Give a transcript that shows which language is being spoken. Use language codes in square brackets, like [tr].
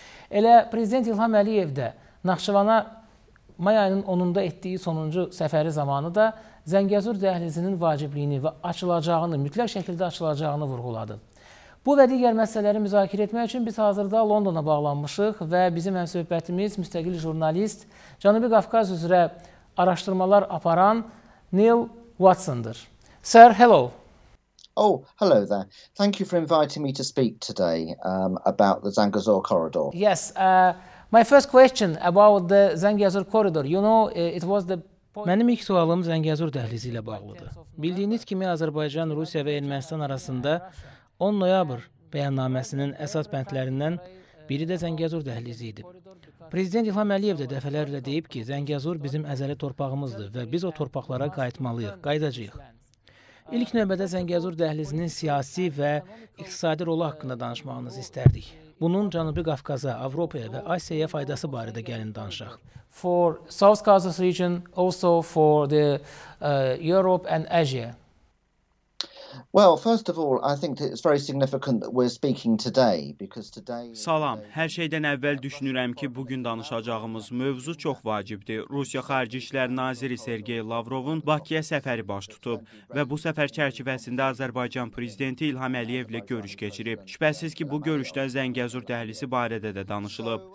[az] Elə Prezident İlham Əliyev də Naxçıvana may ayının 10-unda etdiyi sonuncu səfəri zamanı da Zəngəzur dəhlizinin vacibliyini və açılacağını, mütləq şəkildə açılacağını vurguladı. Bu və digər məsələləri müzakirə etmək üçün biz hazırda Londona bağlanmışıq və bizim həmsöhbətimiz müstəqil jurnalist, Cənubi Qafqaz üzrə araşdırmalar aparan Neil Watson'dır. [en] Sir, hello. Oh, hello there. Thank you for inviting me to speak today about the Zangezur corridor. Yes, my first question about the Zangezur corridor. You know, it was the [az] Mənim ilk sualım Zangezur dəhlizi ilə bağlıdır. Bildiyiniz kimi Azərbaycan, Rusiya və Ermənistan arasında 10 noyabr bəyannaməsinin əsas bəndlərindən biri də Zəngəzur dəhlizi idi. Prezident İlham Əliyev də dəfələrlə deyib ki, Zəngəzur bizim əzəli torpağımızdır və biz o torpaqlara qayıtmalıyıq, qayıdacağıq. İlk növbədə Zəngəzur dəhlizinin siyasi və iqtisadi rolu haqqında danışmağınızı istərdik. Bunun Cənubi Qafqaza, Avropaya və Asiyaya faydası barədə gəlin danışaq. [en] For South Caucasus region, also for the Europe and Asia. Well, first of all, I think it's very significant that we're speaking today because today [az] Salam, hər şeydən əvvəl düşünürəm ki, bu gün danışacağımız mövzu çox vacibdir. Rusiya Xarici İşlər Naziri Sergey Lavrovun Bakıya səfəri baş tutub və bu səfər çərçivəsində Azərbaycan prezidenti İlham Əliyev ilə görüş keçirib. Şübhəsiz ki, bu görüşdən Zəngəzur dəhlizi barədə də danışılıb.